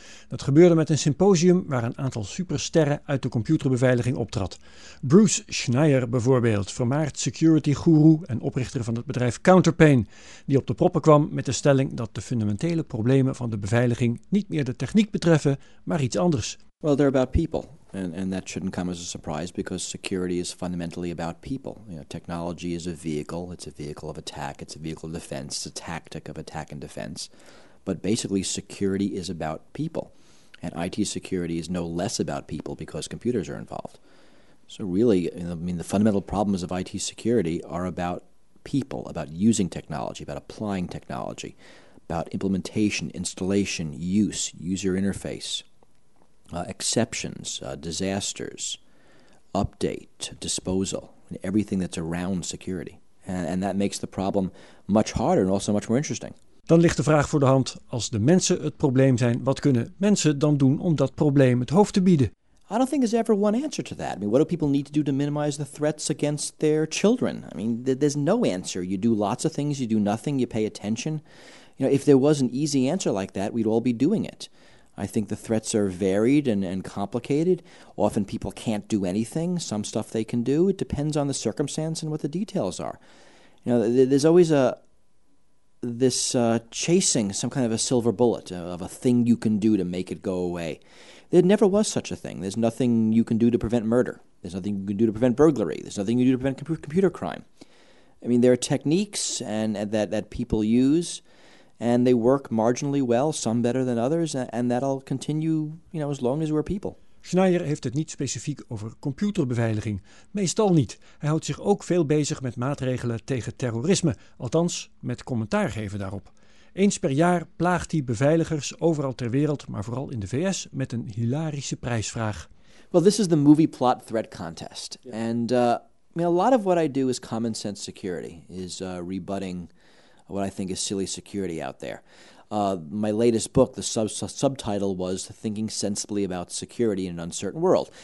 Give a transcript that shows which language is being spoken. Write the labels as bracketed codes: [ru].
[nl] Dat gebeurde met een symposium waar een aantal supersterren uit de computerbeveiliging optrad. Bruce Schneier bijvoorbeeld, vermaard security guru en oprichter van het bedrijf Counterpain, die op de proppen kwam met de stelling dat de fundamentele problemen van de beveiliging niet meer de techniek betreffen, maar iets anders. [en] Well, they're about people, and that shouldn't come as a surprise because security is fundamentally about people. You know, technology is a vehicle. It's a vehicle of attack. It's a vehicle of defense. It's a tactic of attack and defense. But basically, security is about people. And IT security is no less about people because computers are involved. So really, the fundamental problems of IT security are about people, about using technology, about applying technology, about implementation, installation, use, user interface, exceptions, disasters, update, disposal, and everything that's around security. And that makes the problem much harder and also much more interesting. [nl] Dan ligt de vraag voor de hand, als de mensen het probleem zijn, wat kunnen mensen dan doen om dat probleem het hoofd te bieden? [en] I don't think there's ever one answer to that. I mean, what do people need to do to minimize the threats against their children? I mean, there's no answer. You do lots of things, you do nothing, you pay attention. You know, if there was an easy answer like that, we'd all be doing it. I think the threats are varied and complicated. Often people can't do anything. Some stuff they can do. It depends on the circumstance and what the details are. You know, there's always a chasing some kind of a silver bullet, of a thing you can do to make it go away. There never was such a thing. There's nothing you can do to prevent murder. There's nothing you can do to prevent burglary. There's nothing you can do to prevent computer crime. I mean, there are techniques that people use, and they work marginally well, some better than others, and that'll continue, you know, as long as we're people. [nl] Schneier heeft het niet specifiek over computerbeveiliging. Meestal niet. Hij houdt zich ook veel bezig met maatregelen tegen terrorisme. Althans, met commentaar geven daarop. Eens per jaar plaagt hij beveiligers overal ter wereld, maar vooral in de VS, met een hilarische prijsvraag. [en] Well, this is the movie plot threat contest. And a lot of what I do is common sense security. Is rebutting what I think is silly security out there. My latest book, the subtitle was Thinking Sensibly About Security in an Uncertain World.